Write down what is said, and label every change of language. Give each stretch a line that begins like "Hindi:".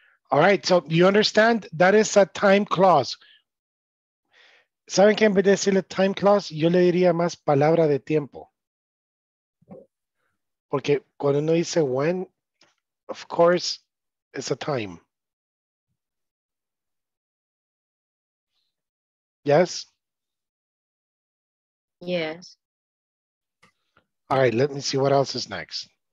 English: All right, so you understand that is a time clause.
Spanish: ¿Saben que en vez de decirle time clause, yo le diría más palabra de tiempo? Porque cuando uno dice
English: when, of course, it's a time. Yes? Yes. All right, let me see what else is next.